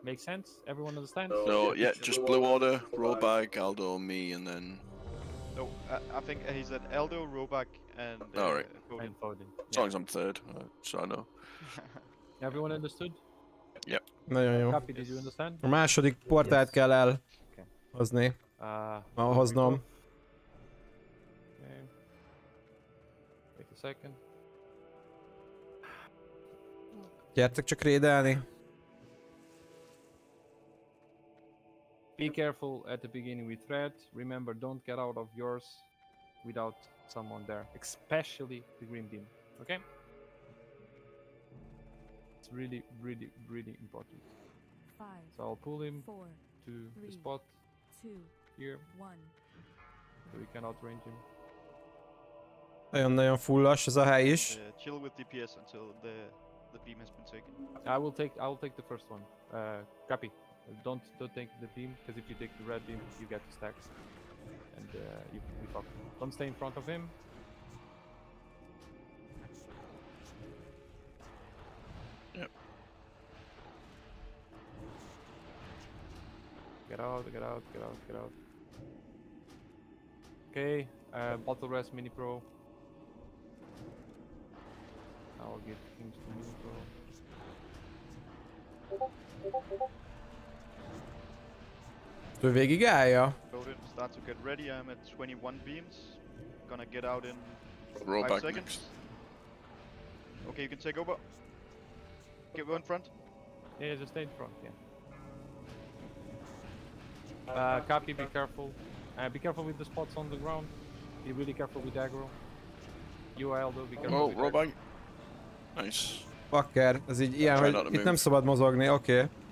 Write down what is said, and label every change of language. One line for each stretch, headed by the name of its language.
English: Make sense? Everyone understand? No, yeah, just blue order, Robag, Aldo, me, and then... No, I think he said Aldo, Robag, and... Alright. And Foden. As long as I'm third, so I know. Everyone understood? Yep.
Hungarian: Nagyon jó.
English: Happy, did you understand?
Hungarian: A második portát kell elhozni. Hoznom.
English: Wait a second.
Hungarian: Gyertek csak rédelni.
English: Be careful at the beginning with threat. Remember, don't get out of yours without someone there, especially the green beam. Okay? It's really, really, really important. Five, so I'll pull him three, the spot two, here. One. So we can outrange him.
Hungarian: Nagyon, nagyon fullas ez a hely is.
English: Chill with DPS until the beam has been taken. I will take the first one. Copy. Don't take the beam, because if you take the red beam, you get the stacks. And you can be fucked. Don't stay in front of him. Yep. Get out. Okay, bottle rest, mini pro. I'll give him to the mini pro.
Hungarian: Ő végig állja.
English: Odin, start to get ready, I'm at 21 beams. Gonna get out in 5 seconds. Next. Okay, you can take over. Get in front. Yeah, just stay in front, yeah. Copy, be careful. Be careful with the spots on the ground. Be really careful with aggro. You, Aldo, be careful with Robag. Aggro. Nice.
Hungarian: Fucker, ez így ilyen, hogy itt nem szabad mozogni, oké.